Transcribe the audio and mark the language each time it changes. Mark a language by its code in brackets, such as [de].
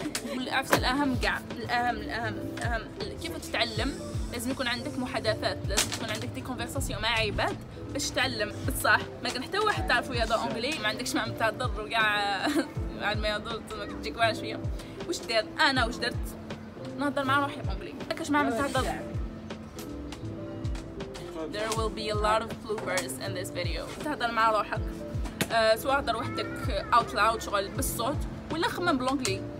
[ar] والعفس الاهم كاع الاهم الاهم الاهم كيف تتعلم لازم يكون عندك محادثات لازم يكون عندك دي كونفرساسيون مع عباد باش تعلم بصح ما كان حتى واحد تعرفو يهضر انجلي ما عندكش معنى تهضر وكاع بعد ما يهضر تجيك واحد شويه واش دير انا واش درت نهضر مع روحي بانجلي ما كاش معنى تهضر. [en] There will be a lot of bloopers in this video. [ar] تهضر مع روحك سواء هضر وحدك [en] out loud [ar] شغل بالصوت ولا خمم بالانجلي.